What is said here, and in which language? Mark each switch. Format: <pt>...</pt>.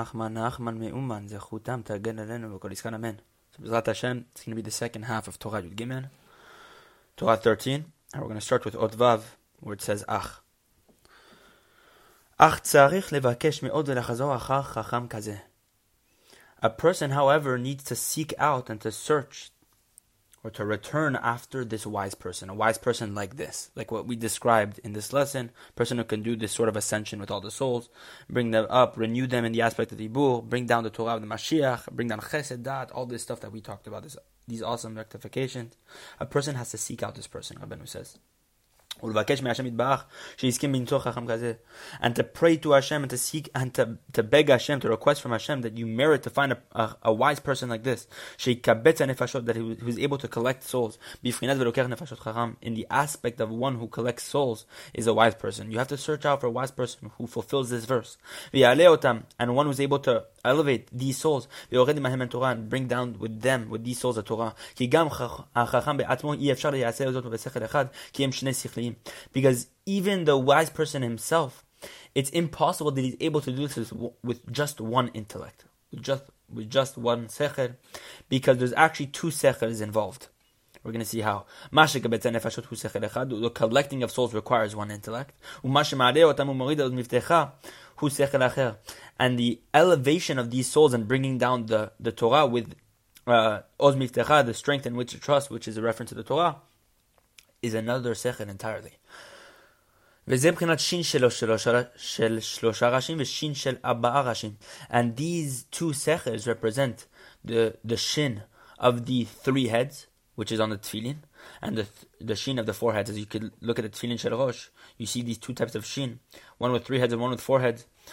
<he>נחמן מאומן, זכותם, תגן עלינו בכל עסקן, אמן.</he> <en>So,</en> <he>בעזרת השם,</he> <en>it's going to be the second half of Torah Yud Gimel. Torah 13, and we're going to start with Ot Vav, where it says, אך.</en> <he>אך צריך לבקש מאוד ולחזור אחר חכם כזה.</he> <en>A person, however, needs to seek out and to search or to return after this wise person. A wise person like this, like what we described in this lesson, a person who can do this sort of ascension with all the souls, bring them up, renew them in the aspect of the Ibur, bring down the Torah of the Mashiach, bring down chesed, all this stuff that we talked about, these awesome rectifications. A person has to seek out this person, Rabbeinu says.</en> <he>ולבקש מהשם יתברך שיסכים למצוא חכם כזה.</he> <en>And to pray to Hashem and to seek and to beg Hashem, to request from Hashem that you merit to find a wise person like this,</en> <he>שיקבץ הנפשות,</he> <en>that he was able to collect souls,</en> <he>בפרינת ולוקח נפשות חכם,</he> <en>in the aspect of one who collects souls, is a wise person. You have to search out for a wise person who fulfills this verse.</en> <he>ויעלה אותם,</he> <en>and one who is able to elevate these souls,</en> <he>ויורד עמהם התורה,</he> <en>and bring down with them, with these souls, the Torah.</en> <he>כי גם החכם בעצמו אי אפשר לייעשה זאת בשכל אחד, כי הם שני שכלים.</he> <en>Because even the wise person himself, it's impossible that he's able to do this with just one intellect, with just one secher, because there's actually two sechers involved. We're going to see how.</en> <he>Mashiach betz nefashot hu secher echad.</he> <en>The collecting of souls requires one intellect.</en> <he>Umashi ma'aleh otam u'morid al miftecha hu secher acher.</he> <en>And the elevation of these souls and bringing down the Torah with oz miftecha, the strength in which to trust, which is a reference to the Torah, is another sechel entirely.</en> <he>וזה מבחינת שין של שלושה ראשים ושין של ארבעה ראשים.</he> <en>And these two sechels represent the shin of the three heads, which is on the tefillin, and the shin of the four heads. As you could look at the tefillin של Rosh, you see these two types of shin, one with three heads and one with four heads.</en>